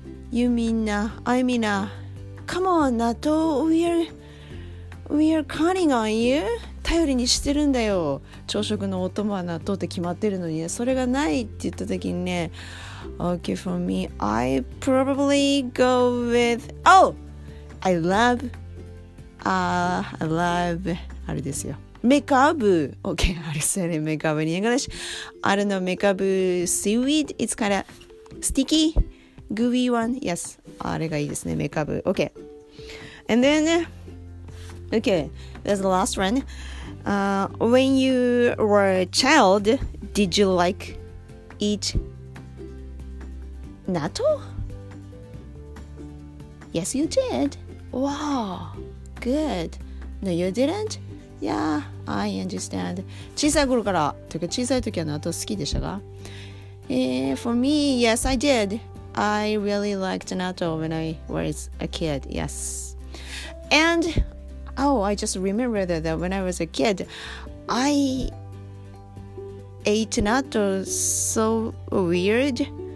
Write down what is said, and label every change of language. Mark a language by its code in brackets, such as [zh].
[en] You mean, I mean, come on, natto, we are counting on you. [ja] 頼りにしてるんだよ。朝食のお供は納豆って決まってるのに、ね、それがないって言った時にね。 [en] Okay, for me, I probably go with... Oh! I love... [ja] あれですよ。メカブ。Okay, あれですよね。 [en] メカブに English. I don't know, メカブ seaweed. It's kind of sticky, gooey one. Yes, [ja] あれがいいですね。メカブ。 [en] Okay. And then, okay, that's the last one. When you were a child, did you like eat natto? Yes, you did. Wow, good. No, you didn't? Yeah, I understand. [ja] 小さい頃から、というか小さい時は納豆好きでしたか？ [en] For me, yes, I did. I really liked natto when I was a kid, yes. And, oh, I just remembered that when I was a kid, I ate natto so weird.